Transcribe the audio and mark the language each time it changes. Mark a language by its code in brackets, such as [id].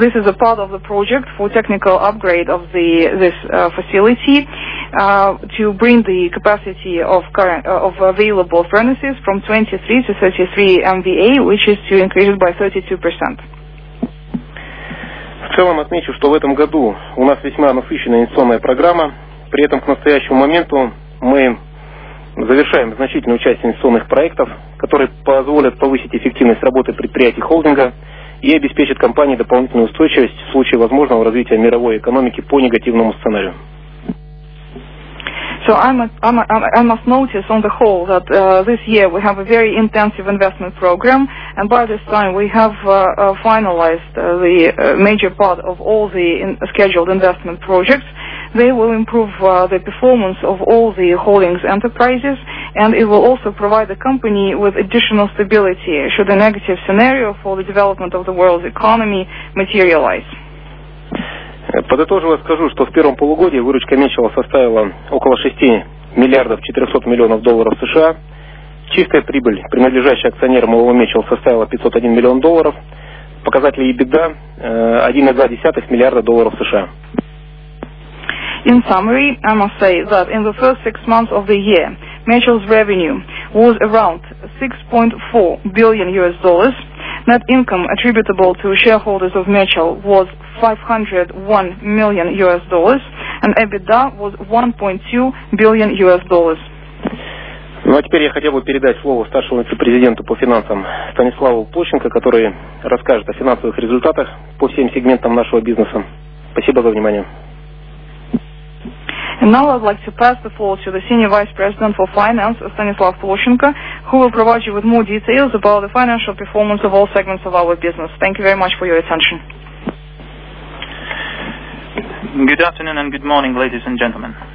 [en] This is a part of the project for technical upgrade of this facility to bring the capacity of available furnaces from 23 to 33 MVA, which is to increase it by 32%. [ru] В целом отмечу, что в этом году у нас весьма насыщенная инвестиционная программа. При этом к настоящему моменту мы завершаем значительную часть инвестиционных проектов, которые позволят повысить эффективность работы предприятий холдинга и обеспечат компании дополнительную устойчивость в случае возможного развития мировой экономики по негативному сценарию. [en] So I must notice on the whole that this year we have a very intensive investment program, and by this time we have finalized the major part of all the scheduled investment projects. They will improve the performance of all the holdings enterprises, and it will also provide the company with additional stability should a negative scenario for the development of the world's economy materialize. [ru] Подытоживо скажу, что в первом полугодии выручка Меньшова составила около 6 миллиардов 400 миллионов долларов США. Чистая прибыль, принадлежащая акционерам ООО «Меньшов», составила 501 миллион долларов. Показатель EBITDA 1,2 миллиарда долларов США. [en] In summary, I must say that in the first 6 months of the year, Meichel's revenue was around $6.4 billion. Net income attributable to shareholders of Meichel was $501 million, and EBITDA was $1.2 billion. [ru] Ну а теперь я хотел бы передать слово старшему вице-президенту по финансам Станиславу Площенко, который расскажет о финансовых результатах по всем сегментам нашего бизнеса. Спасибо за внимание. [en] And now I'd like to pass the floor to the Senior Vice President for Finance, Stanislav Plushenko, who will provide you with more details about the financial performance of all segments of our business. Thank you very much for your attention. Good afternoon and good morning, ladies and gentlemen.